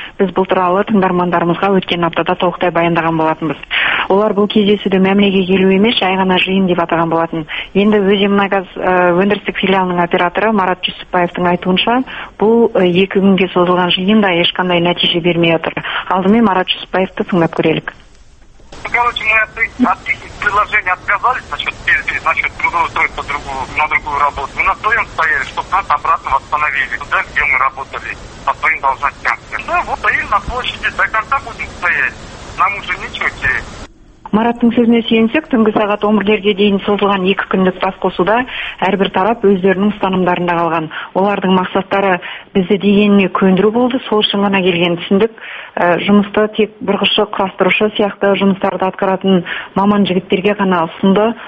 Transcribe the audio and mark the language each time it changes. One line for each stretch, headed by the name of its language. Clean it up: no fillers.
Kazakh: Біз бұл туралы тыңдармандарымызға өткен аптада толықтай баяндаған болатынбыз. Олар бұл кездесуді мәмілеге келу емес, жай ғана жиын деп атаған болатын. Енді Өземнайгаз өндірістік филиалының операторы Марат Жүсіпбаевтың айтуынша, бұл екі күнге созылған жиын да ешқандай нәтиже бермей отыр. Алдымен Марат Жүсіпбаевты тыңдап көрелік.
Russian: Короче, мы от их предложения отказались насчет трудоустройства на другую работу. Мы на своем стояли, чтобы нас обратно восстановили туда, где мы работали, по своим должностям. Ну, вот стоим на площади, до конца будем стоять. Нам уже ничего терять.
Kazakh: Мараттың сөзіне сүйенсек, түнгі сағат 11-ге дейін созылған екі күндік басқосуда әрбір тарап өздерінің ұстанымдарында қалған. Олардың мақсаттары бізді дегеніне көндіру болды, сол үшін ғана келген түсіндік. Жұмысты тек бұрғышы, құрастырушы сияқты жұмыстарды атқаратын маман жігіттерге ғана ұсынды.